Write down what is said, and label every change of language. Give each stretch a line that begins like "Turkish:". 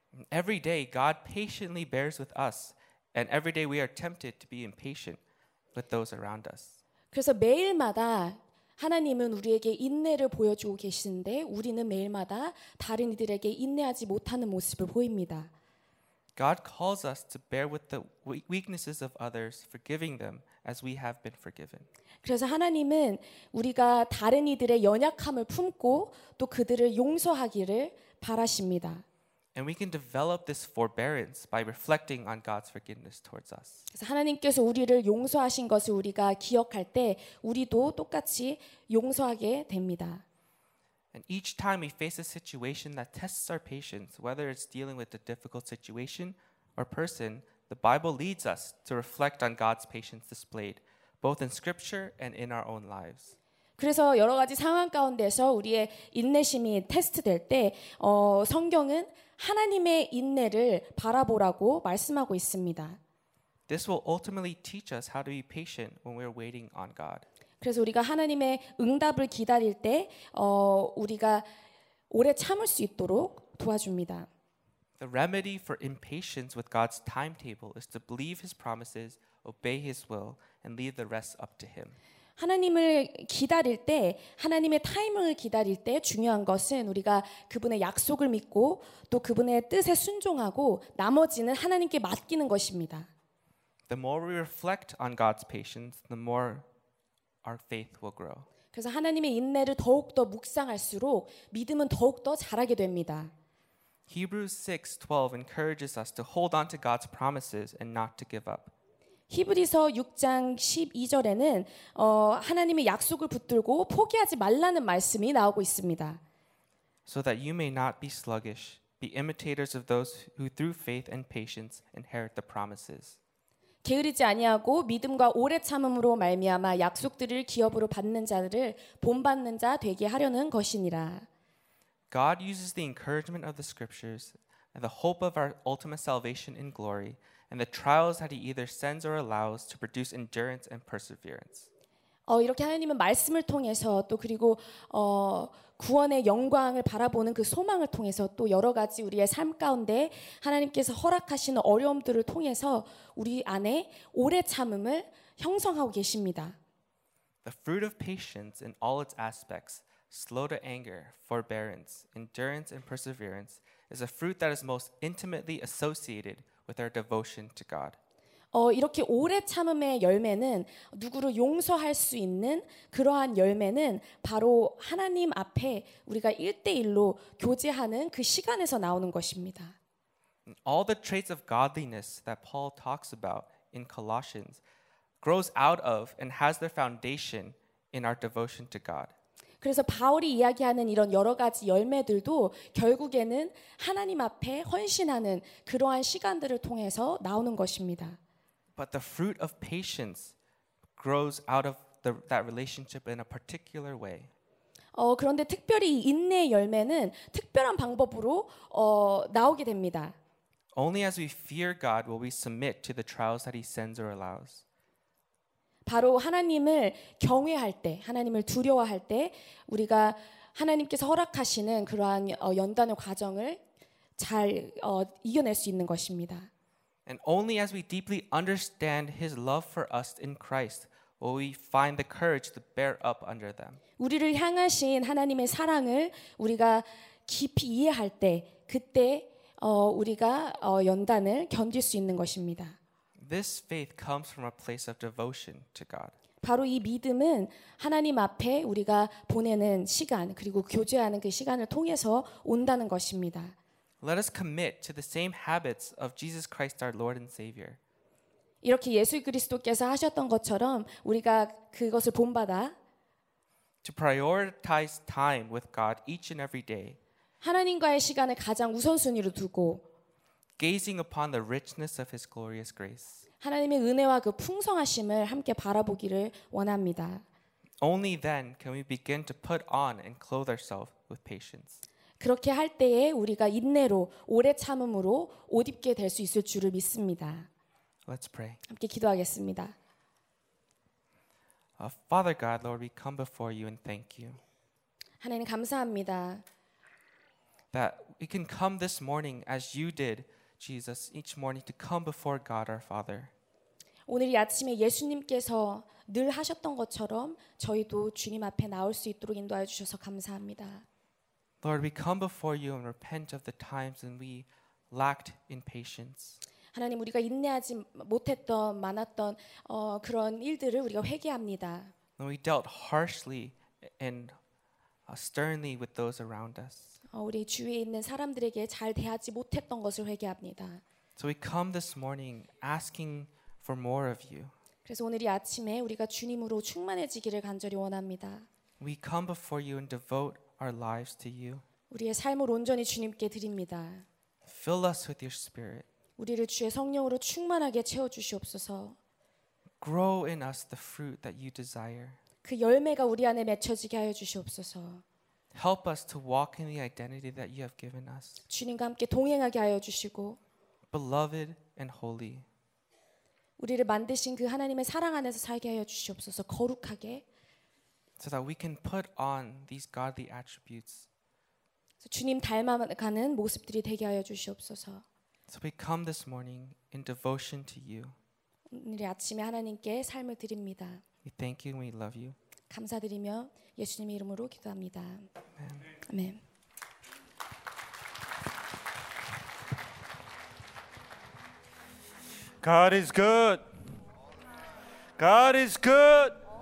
English: Every day God patiently bears with us and every day we are tempted to be impatient with those around us.
Korean: 그래서 매일마다 하나님은 우리에게 인내를 보여주고 계시는데 우리는 매일마다 다른 이들에게 인내하지 못하는 모습을 보입니다.
English: God calls us to bear with the weaknesses of others, forgiving them as we have been forgiven.
Korean: 그래서 하나님은 우리가 다른 이들의 연약함을 품고 또 그들을 용서하기를 바라십니다.
English: And we can develop this forbearance by reflecting on God's forgiveness towards us.
Korean: 그래서 하나님께서 우리를 용서하신 것을 우리가 기억할 때 우리도 똑같이 용서하게 됩니다.
English: And each time we face a situation that tests our patience, whether it's dealing with a difficult situation or person, the Bible leads us to reflect on God's patience displayed, both in Scripture and in our own lives.
Korean: 그래서 여러 가지 상황 가운데서 우리의 인내심이 테스트될 때, 성경은 하나님의 인내를 바라보라고 말씀하고 있습니다.
English: This will ultimately teach us how to be patient when we're waiting on God.
Korean: 그래서 우리가 하나님의 응답을 기다릴 때 우리가 오래 참을 수 있도록 도와줍니다.
English: The remedy for impatience with God's timetable is to believe his promises, obey his will, and leave the rest up to him.
Korean: 하나님을 기다릴 때 하나님의 타이밍을 기다릴 때 중요한 것은 우리가 그분의 약속을 믿고 또 그분의 뜻에 순종하고 나머지는 하나님께 맡기는 것입니다.
English: The more we reflect on God's patience, the more our faith will grow.
Korean: 그래서 하나님의 인내를 더욱 더 묵상할수록 믿음은 더욱 더 자라게 됩니다.
English: Hebrews 6:12 encourages us to hold on to God's promises and not to give up.
Korean: 히브리서 6장 12절에는 하나님의 약속을 붙들고 포기하지 말라는 말씀이 나오고 있습니다.
English: So that you may not be sluggish, be imitators of those who through faith and patience inherit the promises.
Korean: 게으르지 아니하고 믿음과 오래 참음으로 말미암아 약속들을 기업으로 받는 자들을 본받는 자 되게 하려는 것이니라.
English: God uses the encouragement of the scriptures and the hope of our ultimate salvation in glory and the trials that he either sends or allows to produce endurance and perseverance.
Korean: 이렇게 하나님은 말씀을 통해서 또 그리고 구원의 영광을 바라보는 그 소망을 통해서 또 여러 가지 우리의 삶 가운데 하나님께서 허락하시는 어려움들을 통해서 우리 안에 오래 참음을 형성하고 계십니다.
English: The fruit of patience in all its aspects, slow to anger, forbearance, endurance and perseverance is a fruit that is most intimately associated with our devotion to God.
Korean: 이렇게 오래 참음의 열매는 누구를 용서할 수 있는 그러한 열매는 바로 하나님 앞에 우리가 1대1로 교제하는 그 시간에서 나오는 것입니다.
English: All the traits of godliness that Paul talks about in Colossians grows out of and has their foundation in our devotion to God.
Korean: 그래서 바울이 이야기하는 이런 여러 가지 열매들도 결국에는 하나님 앞에 헌신하는 그러한 시간들을 통해서 나오는 것입니다.
English: But the fruit of patience grows out of that relationship in a particular way.
Korean: 그런데 특별히 인내의 열매는 특별한 방법으로 나오게 됩니다.
English: Only as we fear God will we submit to the trials that he sends or allows.
Korean: 바로 하나님을 경외할 때, 하나님을 두려워할 때 우리가 하나님께서 허락하시는 그러한 연단의 과정을 잘 이겨낼 수 있는 것입니다.
English: And only as we deeply understand his love for us in Christ will we find the courage to bear up under them.
Korean: 우리를 향하신 하나님의 사랑을 우리가 깊이 이해할 때 그때 우리가 연단을 견딜 수 있는 것입니다.
English: This faith comes from a place of devotion to God.
Korean: 바로 이 믿음은 하나님 앞에 우리가 보내는 시간 그리고 교제하는 그 시간을 통해서 온다는 것입니다.
English: Let us commit to the same habits of Jesus Christ our Lord and Savior.
Korean: 이렇게 예수 그리스도께서 하셨던 것처럼 우리가 그것을 본받아
English: to prioritize time with God each and every day.
Korean: 하나님과의 시간을 가장 우선순위로 두고
English: gazing upon the richness of his glorious grace.
Korean: 하나님의 은혜와 그 풍성하심을 함께 바라보기를 원합니다.
English: Only then can we begin to put on and clothe ourselves with patience.
Korean: 그렇게 할 때에 우리가 인내로 오래 참음으로 옷 입게 될 수 있을 줄을 믿습니다.
English: Let's pray.
Korean: 함께 기도하겠습니다.
English: Father God, Lord, we come before you and thank you.
Korean: 하나님 감사합니다.
English: That we can come this morning as you did, Jesus, each morning to come before God our Father.
Korean: 오늘 이 아침에 예수님께서 늘 하셨던 것처럼 저희도 주님 앞에 나올 수 있도록 인도하여 주셔서 감사합니다.
English: Lord, we come before you and repent of the times when we lacked in patience.
Korean: 하나님, 우리가 인내하지 못했던 많았던 그런 일들을 우리가 회개합니다.
English: And we dealt harshly and sternly with those around us.
Korean: 우리 주위에 있는 사람들에게 잘 대하지 못했던 것을 회개합니다.
English: So we come this morning asking for more of you.
Korean: 그래서 오늘 이 아침에 우리가 주님으로 충만해지기를 간절히 원합니다.
English: We come before you and devote our lives to you.
Korean: 우리의 삶을 온전히 주님께 드립니다.
English: Fill us with your spirit.
Korean: 우리를 주의 성령으로 충만하게 채워 주시옵소서.
English: Grow in us the fruit that you desire.
Korean: 그 열매가 우리 안에 맺혀지게 하여 주시옵소서.
English: Help us to walk in the identity that you have given us.
Korean: 주님과 함께 동행하게 하여 주시고
English: beloved and holy.
Korean: 우리를 만드신 그 하나님의 사랑 안에서 살게 하여 주시옵소서. 거룩하게
English: so that we can put on these godly attributes.
Korean: 주님 닮아가는 모습들이 되게 하여 주시옵소서.
English: So we come this morning in devotion to you.
Korean: 오늘 아침에 하나님께 삶을 드립니다.
English: We thank you and we love you.
Korean: 감사드리며 예수님의 이름으로 기도합니다. 아멘. 아멘.
English: God is good. God is good.